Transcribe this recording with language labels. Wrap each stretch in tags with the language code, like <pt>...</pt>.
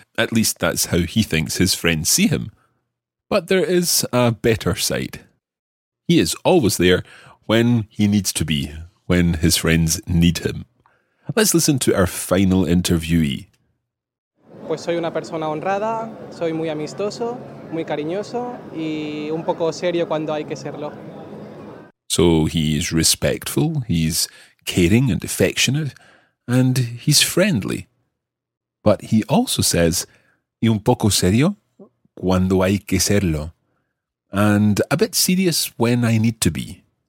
<en>At least that's how he thinks his friends see him. But there is a better side. He is always there when he needs to be, when his friends need him. Let's listen to our final interviewee.</en> <es>Pues soy una persona honrada, soy muy amistoso, muy cariñoso y un poco serio cuando hay que serlo.</es> <en>So he's respectful, he's caring and affectionate, and he's friendly. But he also says,</en> <es>y un poco serio cuando hay que serlo,</es> <en>and a bit serious when I need to be.</en>